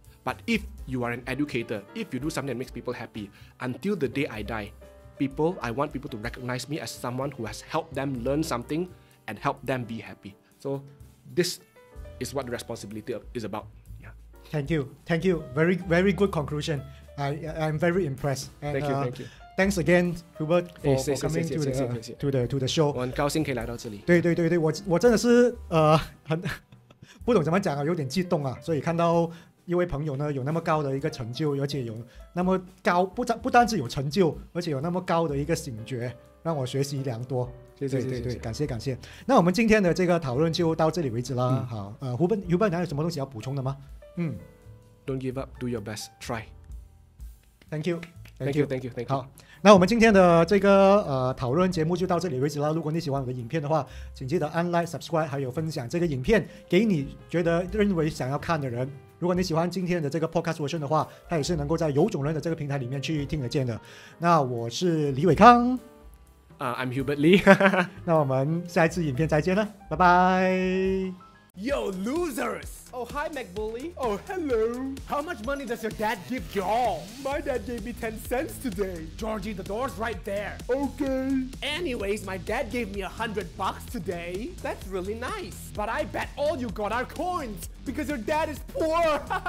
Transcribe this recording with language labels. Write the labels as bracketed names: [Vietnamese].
[English] But if you are an educator, if you do something that makes people happy, until the day I die, people, I want people to recognize me as someone who has helped them learn something and helped them be happy. So this is what the responsibility is about. Yeah. Thank you. Thank you. Very, very good conclusion. I'm very impressed. And, thank you. Thank you. Thanks again, Hubert, for coming to the show. [Chinese] 我很高兴可以来到这里。对，我真的是很不懂怎么讲啊，有点激动啊。所以看到一位朋友呢有那么高的一个成就，而且有那么高，不单是有成就，而且有那么高的一个醒觉，让我学习良多。谢谢，感谢。那我们今天的这个讨论就到这里为止啦。好，Hubert，还有什么东西要补充的吗？ [English] Don't give up, do your best, try. Thank you. Thank you. [Chinese] 好，那我们今天的这个讨论节目就到这里为止了。如果你喜欢我的影片的话，请记得按 like、subscribe， 还有分享这个影片给你觉得认为想要看的人。如果你喜欢今天的这个 [English] podcast version [Chinese] 的话，它也是能够在有种人的这个平台里面去听得见的。那我是李伟康， [English] I'm Hubert Lee 。 [Chinese] 那我们下一次影片再见了，拜拜。 [English] Yo, losers! Oh, hi, McBully. Oh, hello. How much money does your dad give y'all? My dad gave me 10 cents today. Georgie, the door's right there. Okay. Anyways, my dad gave me $100 today. That's really nice. But I bet all you got are coins, because your dad is poor.